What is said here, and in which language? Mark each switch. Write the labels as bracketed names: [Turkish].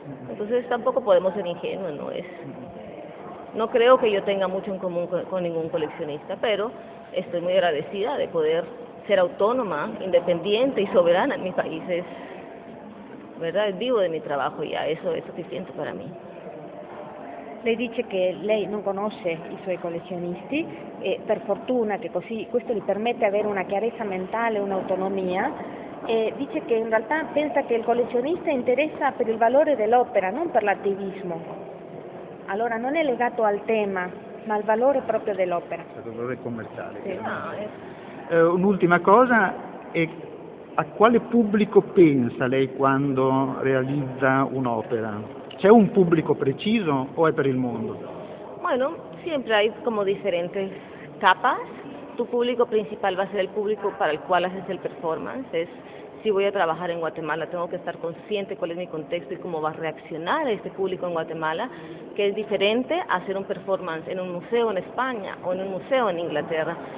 [Spanish] Entonces tampoco podemos ser ingenuos, ¿no? No creo que yo tenga mucho en común con ningún coleccionista, pero estoy muy agradecida de poder ser autónoma, independiente y soberana en mi país. ¿Verdad? Vivo de mi trabajo ya, eso es suficiente para mí. [Italian] Le dice che lei non conosce i suoi collezionisti e per fortuna che così questo gli permette di avere una chiarezza mentale, un'autonomia. E dice che in realtà pensa che il collezionista interessa per il valore dell'opera, non per l'attivismo. Allora non è legato al tema, ma al valore proprio dell'opera. Il valore commerciale. Sì. Un'ultima cosa, a quale pubblico pensa lei quando realizza un'opera? ¿C'è un pubblico preciso o è per il mondo? [Spanish] Bueno, siempre hay como diferentes capas. Tu público principal va a ser el público para el cual haces el performance. Si voy a trabajar en Guatemala, tengo que estar consciente cuál es mi contexto y cómo va a reaccionar este público en Guatemala, que es diferente a hacer un performance en un museo en España o en un museo en Inglaterra.